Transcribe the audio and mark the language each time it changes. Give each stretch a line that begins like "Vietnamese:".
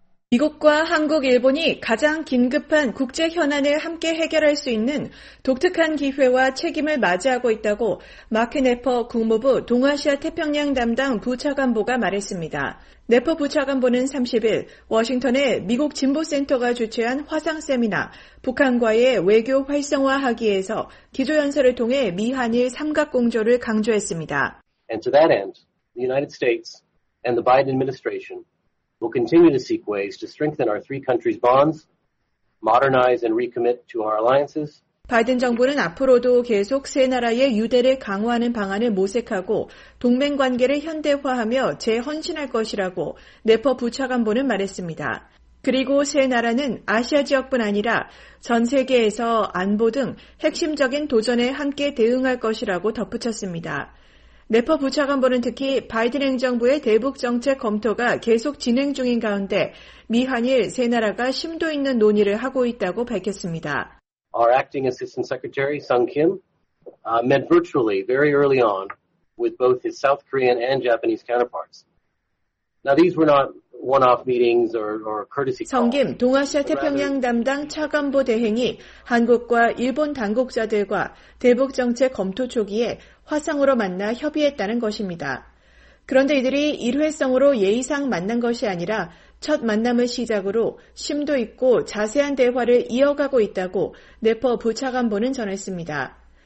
Korean: 미국과 한국, 일본이 가장 긴급한 국제 현안을 함께 해결할 수 있는 독특한 기회와 책임을 맞이하고 있다고 마크 네퍼 국무부 동아시아 태평양 담당 부차관보가 말했습니다. 네퍼 부차관보는 30일 워싱턴의 미국 진보센터가 주최한 화상 세미나 북한과의 외교 활성화 하기에서 기조연설을 통해 미한일 삼각공조를 강조했습니다.
English: And to that end, the United States and the Biden administration will continue to seek ways to strengthen our three countries' bonds, modernize and recommit to our alliances.
Korean: 바이든 정부는 앞으로도 계속 세 나라의 유대를 강화하는 방안을 모색하고 동맹관계를 현대화하며 재헌신할 것이라고 네퍼 부차관보는 말했습니다. 그리고 세 나라는 아시아 지역뿐 아니라 전 세계에서 안보 등 핵심적인 도전에 함께 대응할 것이라고 덧붙였습니다. 네퍼 부차관보는 특히 바이든 행정부의 대북정책 검토가 계속 진행 중인 가운데 미한일 세 나라가 심도 있는 논의를 하고 있다고 밝혔습니다.
English: Our acting assistant secretary Sung Kim met virtually very early on with both his South Korean and Japanese counterparts. Now these were not one-off meetings or courtesy calls.
Korean: 성 김 동아시아 태평양 담당 차관보 대행이 한국과 일본 당국자들과 대북 정책 검토 초기에 화상으로 만나 협의했다는 것입니다. 그런데 이들이 일회성으로 예의상 만난 것이 아니라 첫 만남을 시작으로 심도 있고 자세한 대화를 이어가고 있다고 내퍼 부차관보는 전했습니다.